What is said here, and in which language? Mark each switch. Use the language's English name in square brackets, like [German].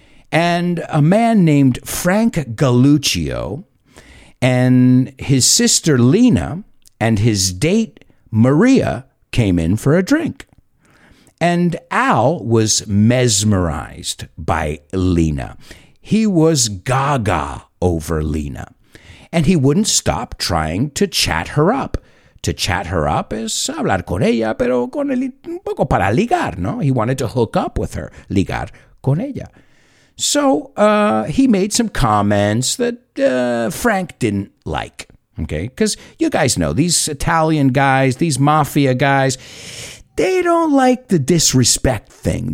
[English] And a man named Frank Galluccio and his sister Lena and his date Maria came in for a drink. And Al was mesmerized by Lena. He was gaga over Lena. And he wouldn't stop trying to chat her up. To chat her up is [Spanish] hablar con ella, pero con el, un poco para ligar, no? [English] He wanted to hook up with her, [Spanish] ligar con ella. [English] So he made some comments that Frank didn't like. Okay, because you guys know, these Italian guys, these mafia guys, they don't like the disrespect thing.